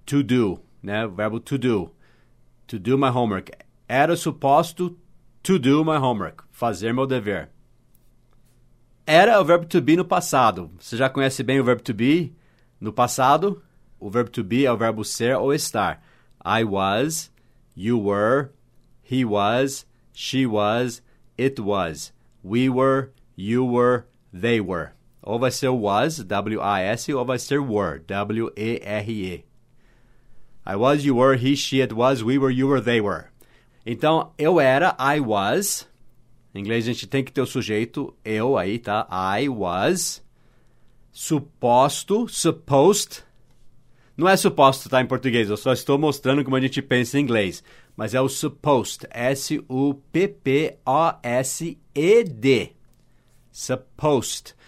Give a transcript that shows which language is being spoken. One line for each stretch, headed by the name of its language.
English: To do.
Portuguese: Né? O verbo
English: to do. To do my homework.
Portuguese: Era suposto
English: to do my homework.
Portuguese: Fazer meu dever. Era o verbo to be no passado. Você já conhece bem o verbo to be no passado? O verbo to be é o verbo ser ou estar.
English: I was, you were, he was, she was, it was, we were, you were, they were.
Portuguese: Ou vai ser was, W-I-S, ou vai ser were, W-E-R-E.
English: I was, you were, he, she, it was, we were, you were, they were.
Portuguese: Então, eu era,
English: I was.
Portuguese: Em inglês, a gente tem que ter o sujeito, eu aí, tá?
English: I was.
Portuguese: Suposto, supposed. Não é suposto, tá, em português. Eu só estou mostrando como a gente pensa em inglês. Mas é o supposed.
English: S-U-P-P-O-S-E-D. Supposed.